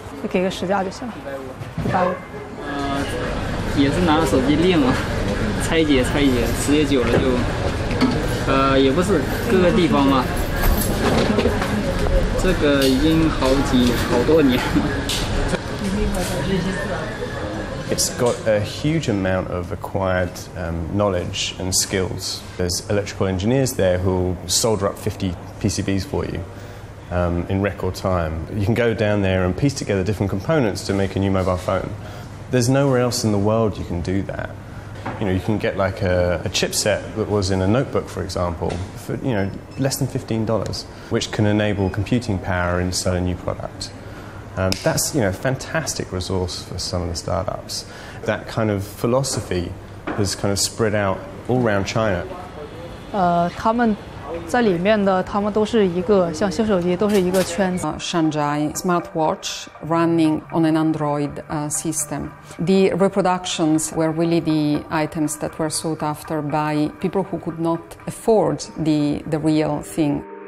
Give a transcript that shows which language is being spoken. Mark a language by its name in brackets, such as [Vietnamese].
[Chinese] 给个实价就行了，一百五。也是拿了手机练嘛，拆解，时间久了就，也不是各个地方嘛，这个已经好多年了。 [English] It's got a huge amount of acquired knowledge and skills. There's electrical engineers there who solder up 50 PCBs for you. In record time. You can go down there and piece together different components to make a new mobile phone. There's nowhere else in the world you can do that. You know, you can get like a chipset that was in a notebook, for example, for, you know, less than $15, which can enable computing power and sell a new product. That's, you know, a fantastic resource for some of the startups. That kind of philosophy has kind of spread out all around China. [Chinese] 在里面的，他们都是一个像修手机，都是一个圈子。 [English] Shenzhen smartwatch running on an Android system. The reproductions were really the items that were sought after by people who could not afford the real thing.